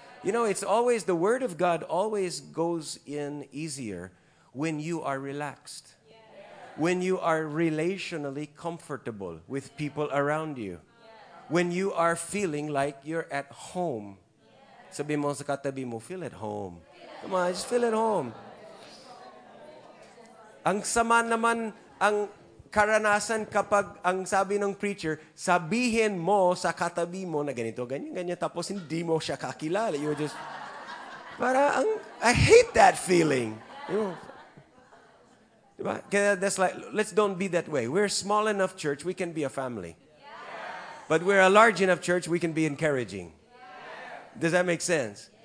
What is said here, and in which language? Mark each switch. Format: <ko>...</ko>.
<en>You know, it's always, the word of God always goes in easier when you are relaxed. When you are relationally comfortable with people around you. When you are feeling like you're at home.</en> <tl>Sabi mo sa katabi mo,</tl> <en>feel at home. Come on, just feel at home.</en> <tl>Ang sama naman ang karanasan kapag ang sabi ng preacher, sabihin mo sa katabi mo na ganito, ganyan, ganyan, tapos hindi mo siya kakilala.</tl> <en>You just, para ang, I hate that feeling. You know? Diba? Kaya that's like, let's don't be that way. We're a small enough church, we can be a family. But we're a large enough church, we can be encouraging. Does that make sense?</en>